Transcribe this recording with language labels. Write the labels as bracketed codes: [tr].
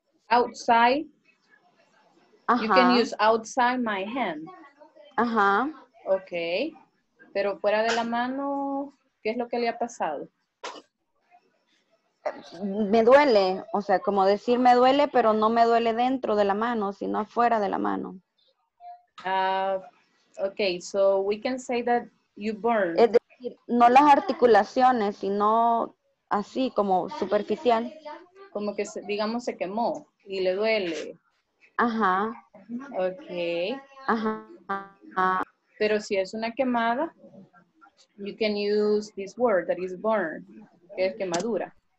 [en] Outside. Uh-huh. You can use outside my hand. Ajá. Uh-huh. Okay. [es] Pero fuera de la mano, ¿qué es lo que le ha pasado? Me duele. O sea, como decir me duele, pero no me duele dentro de la mano, sino afuera de la mano. [en] Okay, so we can say that you burn. [es] Es decir, no las articulaciones, sino así, como superficial. Como que, digamos, se quemó y le duele. Ajá. Ok. Ajá. Ajá. Pero si es una quemada, [en] you can use this word that is burn, [es] que es quemadura.